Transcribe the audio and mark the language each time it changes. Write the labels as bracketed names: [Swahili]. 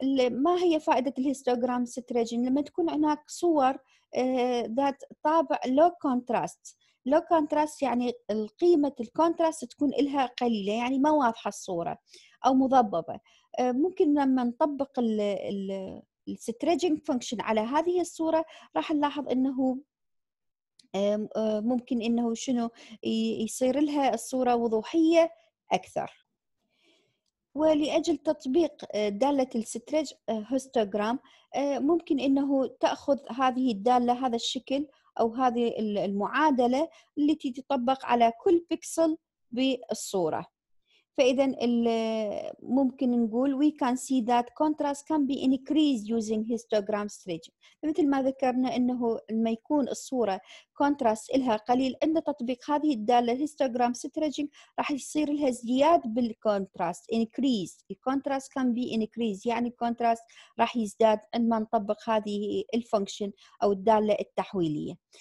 [Arabic] ما هي فائدة الهيستوغرام ستريجين؟ لما تكون هناك صور ذات طابع لو كونتراست، لو كونتراست يعني القيمة الكونتراست تكون إلها قليلة، يعني ما واضحة الصورة أو مضببة، ممكن لما نطبق الستريجينج فانكشن على هذه الصورة راح نلاحظ انه ممكن انه شنو يصير لها الصورة وضوحية اكثر. ولأجل تطبيق دالة الستريج هيستوغرام ممكن انه تأخذ هذه الدالة هذا الشكل او هذه المعادلة التي تطبق على كل بيكسل بالصورة. فإذا ممكن نقول [English] we can see that contrast can be increased using histogram stretching. [Arabic] مثل ما ذكرنا أنه لما يكون الصورة contrast إلها قليل عند تطبيق هذه الدالة histogram stretching راح يصير لها زيادة بالcontrast increase. [English] The contrast can be increased، [Arabic] يعني contrast راح يزداد عندما نطبق هذه الفانكشن أو الدالة التحويلية.